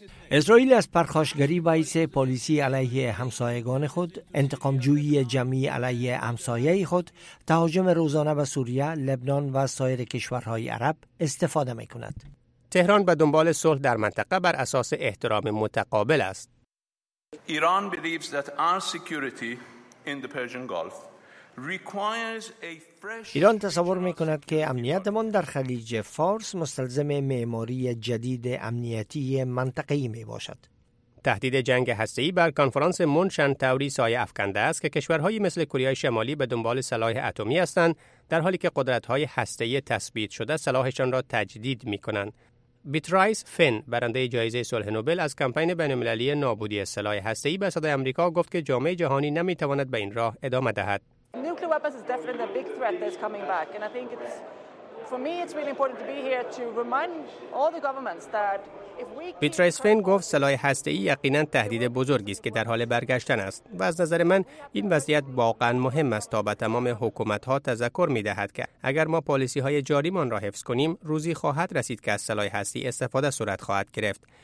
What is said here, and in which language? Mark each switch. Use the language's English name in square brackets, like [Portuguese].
[Persian] اسرائیل از پرخاشگری باعث پالیسی علیه همسایگان خود، انتقام جویی جمعی علیه همسایه خود، تهاجم روزانه به سوریه، لبنان و سایر کشورهای عرب استفاده می کند. تهران به دنبال صلح در منطقه بر اساس احترام متقابل است. [English] ایران believes that our security in the Persian Gulf requires a [Persian] ایران تصور می‌کند که امنیتمان در خلیج فارس مستلزم معماری جدید امنیتی منطقه‌ای می‌باشد. تهدید جنگ هسته‌ای بر کنفرانس منشن توری سایه افکنده است که کشورهایی مثل کره شمالی به دنبال سلاح اتمی هستند، در حالی که قدرت‌های هسته‌ای تثبیت شده سلاحشان را تجدید می‌کنند. بیترایس فن، برنده جایزه صلح نوبل از کمپین بین‌المللی نابودی سلاح هسته‌ای، به صدای آمریکا گفت که جامعه جهانی نمی‌تواند به این راه ادامه دهد. [English] Nuclear weapons is definitely a big threat that is coming back, and I think it's for me it's really important to be here to remind all the governments that if we. [Persian] بیترایس فین گفت سلاح هسته‌ای یقیناً تهدید بزرگی است که در حال برگشتن است و از نظر من این وضعیت واقعاً مهم است تا به تمام حکومت‌ها تذکر می‌دهد که اگر ما پالیسی‌های جاریمان را حفظ کنیم، روزی خواهد رسید که از سلاح هسته‌ای استفاده صورت خواهد گرفت.